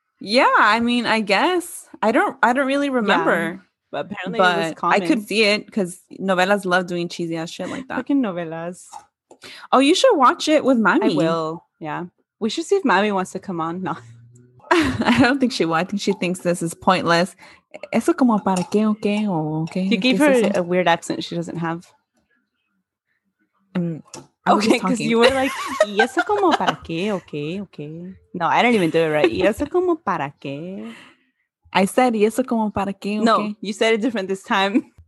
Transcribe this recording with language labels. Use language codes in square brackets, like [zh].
[en] Yeah, I mean, I guess. I don't really remember. Yeah, but apparently but it was common. I could see it because novelas love doing cheesy ass shit like that. Fucking novelas. Oh, you should watch it with Mami. I will. Yeah. We should see if Mami wants to come on. No. I don't think she will. I think she thinks this is pointless. [es] Eso como para qué, okay, okay. [en] You gave her a weird accent she doesn't have. Okay, because you were like, [es] eso como para qué, [en] okay, okay. No, I didn't even do it right. [es] Eso como para qué. [en] I said, [es] eso como para qué, [en] okay. No, you said it different this time.